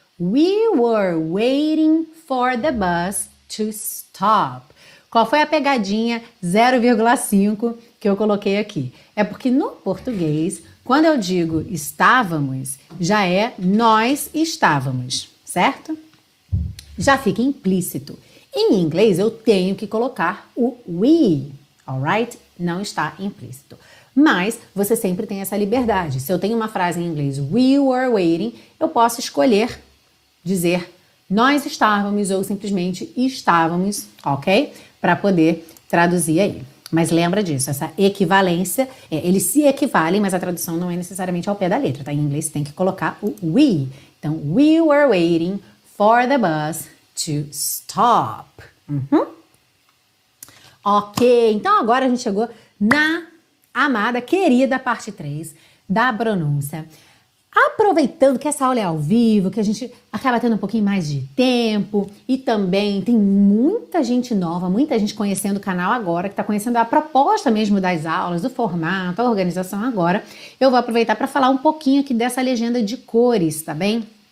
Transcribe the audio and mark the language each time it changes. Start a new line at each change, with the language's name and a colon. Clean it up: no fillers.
English: We were waiting for the bus to stop.
Portuguese: Qual foi a pegadinha 0,5 que eu coloquei aqui? É porque no português, quando eu digo estávamos, já é nós estávamos, certo? Já fica implícito. Em inglês, eu tenho que colocar o we, alright? Não está implícito. Mas você sempre tem essa liberdade. Se eu tenho uma frase em inglês,
English: we were waiting,
Portuguese: eu posso escolher dizer nós estávamos ou simplesmente estávamos, ok? Para poder traduzir aí. Mas lembra disso, essa equivalência, eles se equivalem, mas a tradução não é necessariamente ao pé da letra, tá? Em inglês tem que colocar o we.
English: Então, we were waiting for the bus to stop. Uhum.
Portuguese: Ok, então agora a gente chegou na amada, querida parte 3 da pronúncia. Aproveitando que essa aula é ao vivo, que a gente acaba tendo um pouquinho mais de tempo e também tem muita gente nova, muita gente conhecendo o canal agora, que está conhecendo a proposta mesmo das aulas, do formato, a organização agora, eu vou aproveitar para falar um pouquinho aqui dessa legenda de cores, tá bem?